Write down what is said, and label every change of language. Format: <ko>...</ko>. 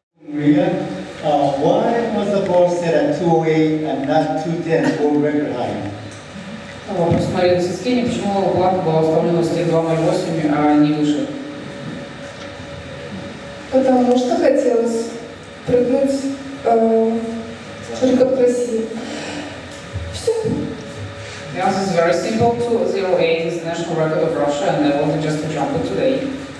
<en>Maria, why was the ball set at 208 and not 210 for record height?</en> <ru>Вопрос Марии Лисицкене, почему планка была установлена с 208, а не выше? Потому что хотелось прыгнуть только красиво. Все.</ru> <en>The answer is very simple. 208 is the national record of Russia, and I wanted just to jump it today.</en>